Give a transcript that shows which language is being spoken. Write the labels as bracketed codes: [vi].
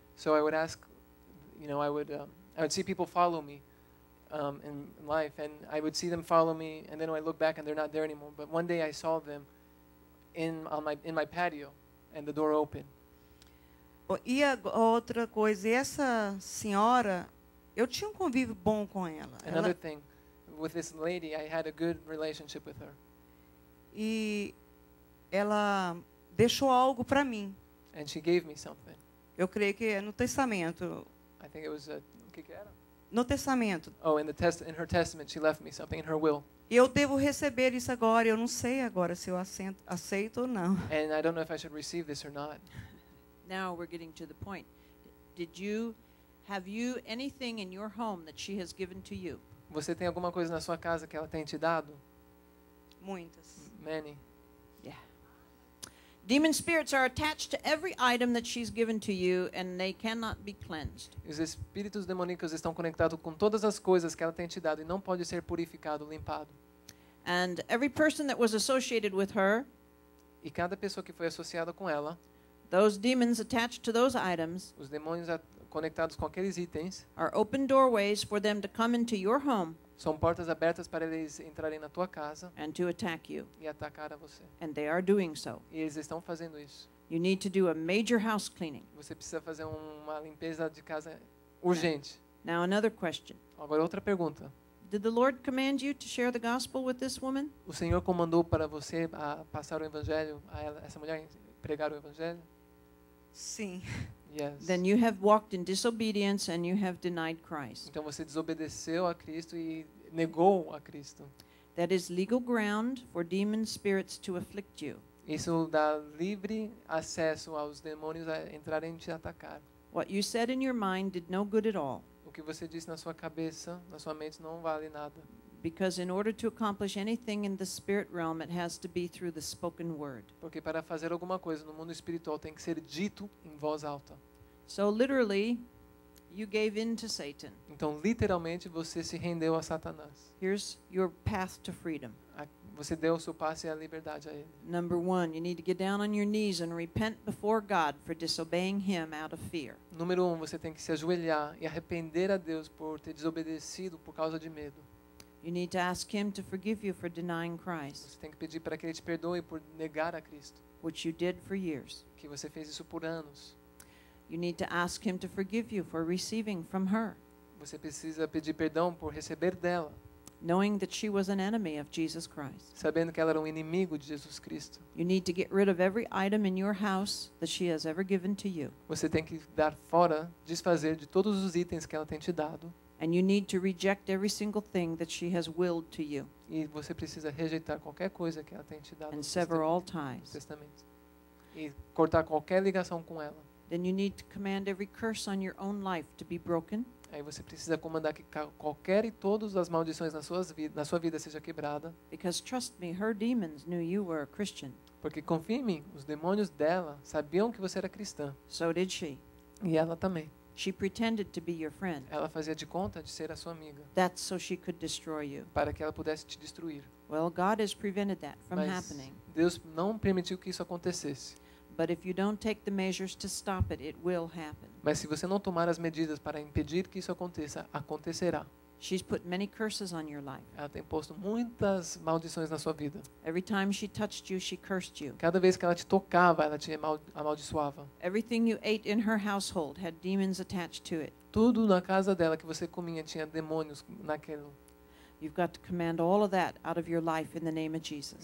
[en] So I would ask, you know, I would see people follow me in life, and I would see them follow me, and then I look back and they're not there anymore. But one day I saw them in my patio, and the door open. [pt] E a outra coisa, essa senhora, eu tinha um convívio bom com ela. [en] Another thing, with this lady, I had a good relationship with her. [pt] E ela deixou algo para mim. [en] And she gave me something. [pt] Eu creio que é no testamento. [en] I think it was [pt] o que era? No testamento. [en] Oh, in her testament, she left me something in her will. [pt] Eu devo receber isso agora? Eu não sei agora se eu aceito ou não. [en] And I don't know if I should receive this or not. Now we're getting to the point. Did you have you anything in your home that she has given to you? [pt] Você tem alguma coisa na sua casa que ela tem te dado? Muitas. [en] Many. Demon spirits are attached to every item that she's given to you, and they cannot be cleansed. [pt] Os espíritos demoníacos estão conectados com todas as coisas que ela tem te dado e não pode ser purificado, limpado. [en] And every person that was associated with her, [pt] e cada pessoa que foi associada com ela, [en] those demons attached to those items, [pt] os demônios conectados com aqueles itens, [en] are open doorways for them to come into your home. [pt] São portas abertas para eles entrarem na tua casa [en] and to attack you. [pt] E atacar a você. [en] And they are doing so. [pt] E eles estão fazendo isso. [en] You need to do a major house cleaning. [pt] Você precisa fazer uma limpeza de casa urgente. [en] Now another question. [pt] Agora outra pergunta. [en] Did the Lord command you to share the gospel with this woman? [pt] O Senhor comandou para você a passar o evangelho a ela, essa mulher, pregar o evangelho? Sim. [en] Yes. Then you have walked in disobedience and you have denied Christ. [pt] Então você desobedeceu a Cristo e negou a Cristo. [en] That is legal ground for demon spirits to afflict you. [pt] Isso dá livre acesso aos demônios a entrarem e te atacar. [en] What you said in your mind did no good at all. [pt] O que você disse na sua cabeça, na sua mente, não vale nada. [en] Because in order to accomplish anything in the spirit realm, it has to be through the spoken word. [pt] Porque para fazer alguma coisa no mundo espiritual tem que ser dito em voz alta. [en] So literally, You gave in to Satan. [pt] Então, literalmente, você se rendeu a Satanás. [en] Here's your path to freedom. [pt] Você deu o seu passe à liberdade a ele. [en] Number one, you need to get down on your knees and repent before God for disobeying Him out of fear. [pt] Número um, você tem que se ajoelhar e arrepender a Deus por ter desobedecido por causa de medo. [en] You need to ask Him to forgive you for denying Christ. [pt] Você tem que pedir para que Ele te perdoe por negar a Cristo. [en] Which you did for years. [pt] Que você fez isso por anos. [en] You need to ask Him to forgive you for receiving from her. [pt] Você precisa pedir perdão por receber dela. [en] Knowing that she was an enemy of Jesus Christ. [pt] Sabendo que ela era um inimigo de Jesus Cristo. [en] You need to get rid of every item in your house that she has ever given to you. [pt] Você tem que dar fora, desfazer de todos os itens que ela tem te dado. [en] And you need to reject every single thing that she has willed to you. [pt] E você precisa rejeitar qualquer coisa que ela tem te dado. [en] And sever all ties. [pt] Testamento. E cortar qualquer ligação com ela. [en] Then you need to command every curse on your own life to be broken. [pt] Aí você precisa comandar que qualquer e todas as maldições na sua vida seja quebrada. [en] Because trust me, her demons knew you were a Christian. [pt] Porque confie em mim, os demônios dela sabiam que você era cristã. [en] So did she. [pt] E ela também. [en] She pretended to be your friend. [pt] Ela fazia de conta de ser a sua amiga. [en] That's so she could destroy you. [pt] Para que ela pudesse te destruir. [en] Well, God has prevented that from happening. [pt] Mas Deus não permitiu que isso acontecesse. [en] But if you don't take the measures to stop it, it will happen. [pt] Mas se você não tomar as medidas para impedir que isso aconteça, acontecerá. [en] She's put many curses on your life. [pt] Ela tem posto muitas maldições na sua vida. [en] Every time she touched you, she cursed you. [pt] Cada vez que ela te tocava, ela te amaldiçoava. [en] Everything you ate in her household had demons attached to it. [pt] Tudo na casa dela que você comia tinha demônios naquilo. [en] You've got to command all of that out of your life in the name of Jesus.